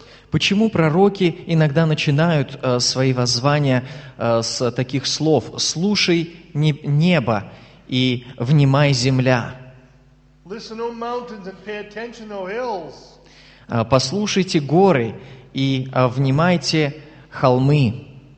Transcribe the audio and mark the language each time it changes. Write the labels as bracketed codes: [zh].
[ru] Почему пророки иногда начинают свои воззвания с таких слов «Слушай, небо, и внимай, земля»? [en] Listen, O mountains, and pay attention, O hills. [ru] Послушайте горы и внимайте холмы.